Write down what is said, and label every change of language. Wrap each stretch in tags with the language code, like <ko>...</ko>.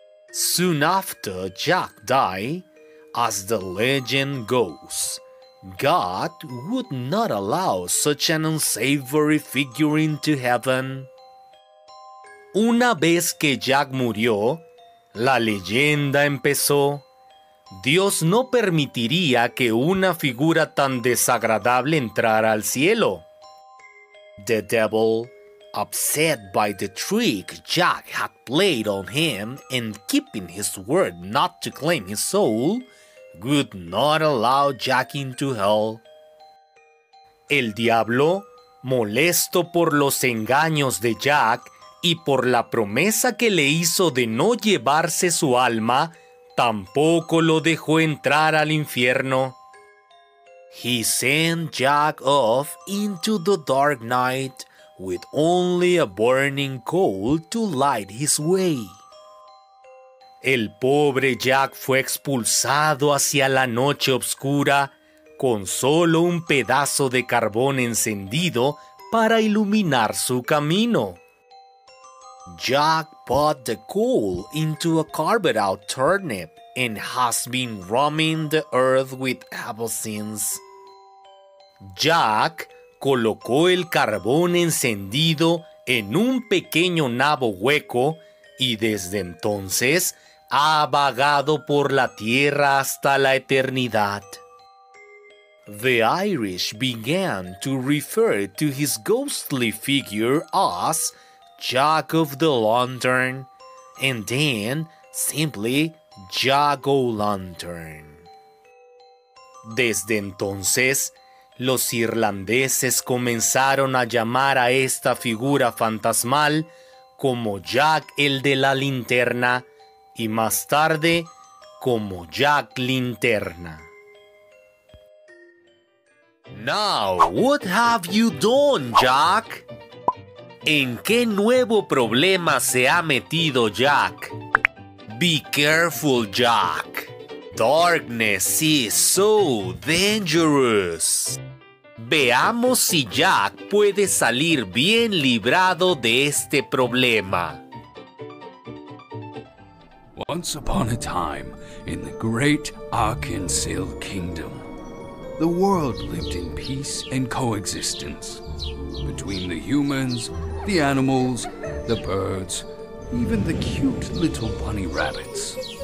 <en>Soon after Jack died, as the legend goes, God would not allow such an unsavory figure into heaven.</en> <es>Una vez que Jack murió, la leyenda empezó. Dios no permitiría que una figura tan desagradable entrara al cielo.</es> <en>The devil, upset by the trick Jack had played on him and keeping his word not to claim his soul, would not allow Jack into hell.</en> <es>El diablo, molesto por los engaños de Jack y por la promesa que le hizo de no llevarse su alma, tampoco lo dejó entrar al infierno.</es> <en>He sent Jack off into the dark night with only a burning coal to light his way.</en> <es>El pobre Jack fue expulsado hacia la noche oscura con solo un pedazo de carbón encendido para iluminar su camino.</es> <en>Jack put the coal into a carved out turnip and has been roaming the earth with ever since.</en> <es>Jack colocó el carbón encendido en un pequeño nabo hueco y desde entonces ha vagado por la tierra hasta la eternidad.</es> <en>The Irish began to refer to his ghostly figure as Jack of the Lantern, and then simply Jack-o'-Lantern.</en> <es>Desde entonces, los irlandeses comenzaron a llamar a esta figura fantasmal como Jack el de la linterna y más tarde como Jack Linterna.</es> <en>Now, what have you done, Jack?</en> <es>¿En qué nuevo problema se ha metido Jack?</es> <en>Be careful, Jack. Darkness is so dangerous.</en> <es>Veamos si Jack puede salir bien librado de este problema.</es> <en>Once upon a time, in the great Arkansil kingdom, the world lived in peace and coexistence between the humans, the animals, the birds, even the cute little bunny rabbits.</en>